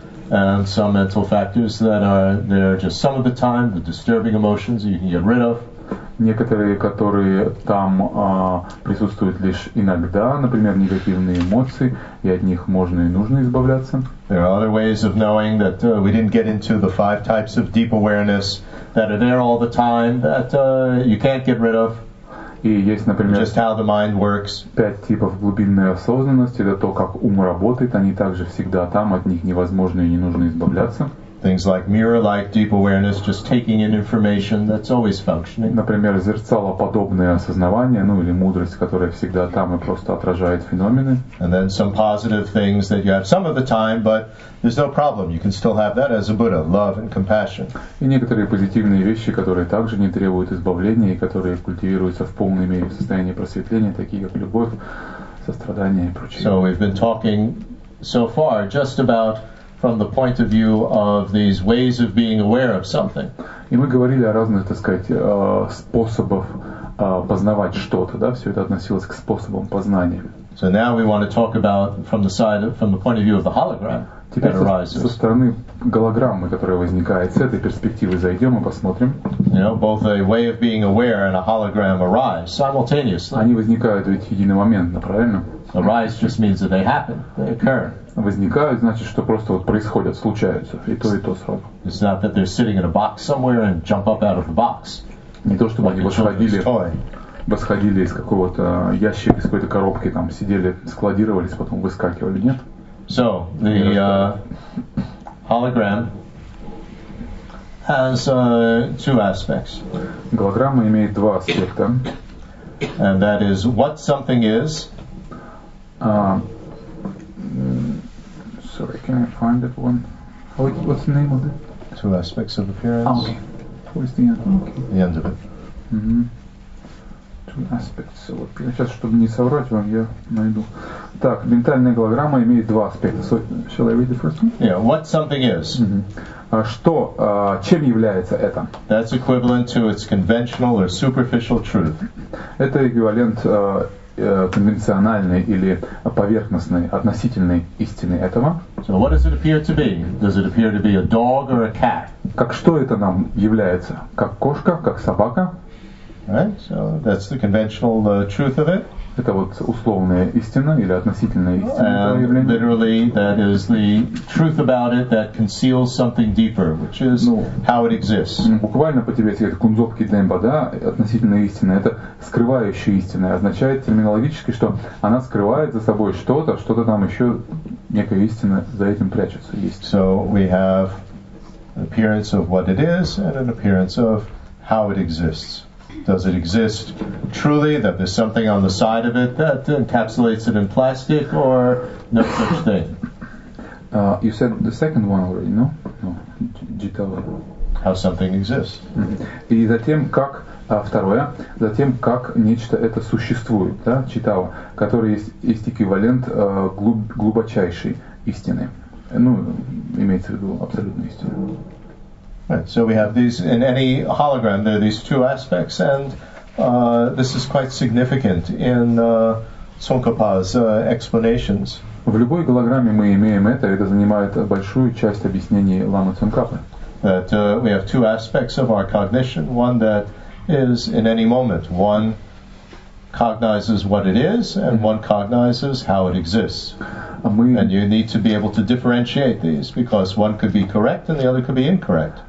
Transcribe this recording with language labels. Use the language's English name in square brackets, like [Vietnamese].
[English] And some mental factors that are there just some of the time, the disturbing emotions you can get rid of. [Russian] Некоторые, которые там присутствуют лишь иногда, например, негативные эмоции, и от них можно и нужно избавляться. [English] There are other ways of knowing that we didn't get into the five types of deep awareness that are there all the time that you can't get rid of. [Russian] И есть, например, [English] just how the mind works. [Russian] Пять типов глубинной осознанности, это то, как ум работает, они также всегда там, от них невозможно и не нужно избавляться. [English] Things like mirror-like deep awareness, just taking in information that's always functioning. [Russian] Например, зеркалоподобное осознавание, ну или мудрость, которая всегда там и просто отражает феномены. [English] And then some positive things that you have some of the time, but there's no problem. You can still have that as a Buddha, love and compassion. [Russian] И некоторые позитивные вещи, которые также не требуют избавления и которые культивируются в полной мере в состоянии просветления, такие как любовь, сострадание и прочее. [English] So we've been talking so far just about from the point of view of these ways of being aware of something. [Russian] И мы говорили о разных, так сказать, способах познавать что-то, да? Все это относилось к способам познания. [English] So now we want to talk about from the point of view of the hologram. [Russian] Теперь со стороны голограммы, которая возникает, с этой перспективы зайдем и посмотрим. [English] You know, both a way of being aware and a hologram arise simultaneously. [Russian] Они возникают ведь единомоментно, правильно? [English] Arise just means that they happen, they occur. [Russian] Возникают, значит, что просто вот происходят, случаются, и то сразу. [English] It's not that they're sitting in a box somewhere and jump up out of the box. [Russian] Не то, чтобы они восходили из какого-то ящика, из какой-то коробки, там сидели, складировались, потом выскакивали, нет? [English] So, the hologram has two aspects. [Russian] Голограмма имеет два аспекта. [English] And that is what something is. Sorry, can I find that one? What's the name of it? Two aspects of appearance. Oh, okay. Where's the end? Okay. The end of it. [Russian] Mm-hmm. Аспект силы. Сейчас, чтобы не соврать вам, я найду. Так, ментальная голограмма имеет два аспекта. [English] So, shall I read the first one? Yeah, what something is. [Russian] Mm-hmm. Что, чем является это? [English] That's equivalent to its conventional or superficial truth. [Russian] Это эквивалент конвенциональной или поверхностной, относительной истины этого. [English] So what does it appear to be? Does it appear to be a dog or a cat? [Russian] Как что это нам является? Как кошка, как собака? [English] Right, so that's the conventional truth of it. [Russian] Это вот условная истина или относительная истина. [English] And literally, that is the truth about it that conceals something deeper, which is how it exists. [Russian] Буквально по-тибетски это кунзопки дэмба, да, относительная истина. Это скрывающая истина. Означает терминологически, что она скрывает за собой что-то, что-то там еще некая истина за этим прячется. Есть. [English] So we have an appearance of what it is and an appearance of how it exists. Does it exist truly, that there's something on the side of it that encapsulates it in plastic, or no such thing? You said the second one already, no? No. Digital. How something exists. [Russian] Mm-hmm. И затем, как... второе. Затем, как нечто это существует, да? Читала. Который есть эквивалент глубочайшей истины. Ну, имеется в виду абсолютную истину. [English] Right, so we have these, in any hologram, there are these two aspects, and this is quite significant in Tsongkhapa's explanations. [Russian] В любой голограмме мы имеем это занимает большую часть объяснений Ламы Цонкапы. [English] That we have two aspects of our cognition, one that is in any moment. One cognizes what it is, and one cognizes how it exists. And you need to be able to differentiate these, because one could be correct and the other could be incorrect.